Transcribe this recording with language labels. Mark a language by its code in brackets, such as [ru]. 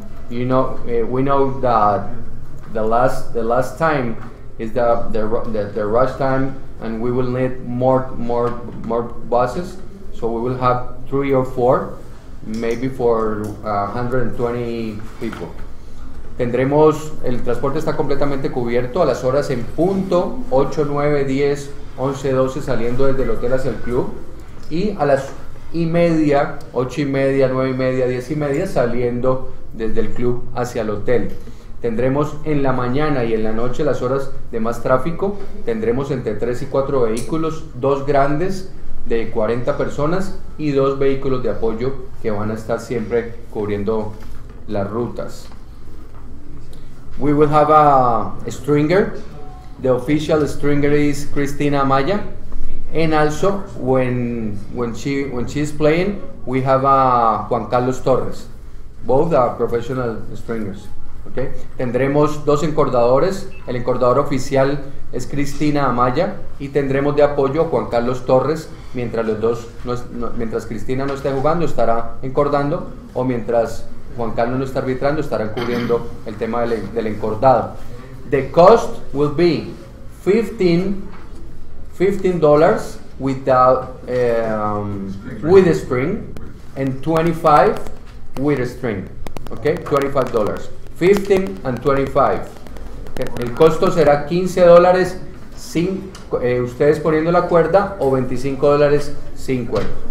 [en] You know, we know that the last time is the rush time, and we will need more buses. So we will have 3 or 4, maybe for 120 people. [es] Tendremos, el transporte está completamente cubierto a las horas en punto 8, 9, 10, 11, 12 saliendo desde el hotel hacia el club, y a las y media, 8:30, 9:30, 10:30 saliendo desde el club hacia el hotel. Tendremos en la mañana y en la noche, las horas de más tráfico, tendremos entre 3 y 4 vehículos, 2 grandes de 40 personas y 2 vehículos de apoyo que van a estar siempre cubriendo las rutas. [en] We will have a stringer. The official stringer is Cristina Amaya. And also, when she is playing, we have Juan Carlos Torres. Both are professional stringers. Okay. [es] Tendremos 2 encordadores. El encordador oficial es Cristina Amaya, y tendremos de apoyo a Juan Carlos Torres mientras Cristina no esté jugando, estará encordando, o mientras Juan Carlos no está arbitrando, estarán cubriendo el tema del encordado. [en] The cost will be 15 $15 without with a string, and $25 with a string. Okay, $25. 15 and 25. Okay. [es] El costo será $15 sin ustedes poniendo la cuerda o $25 sin cuerda.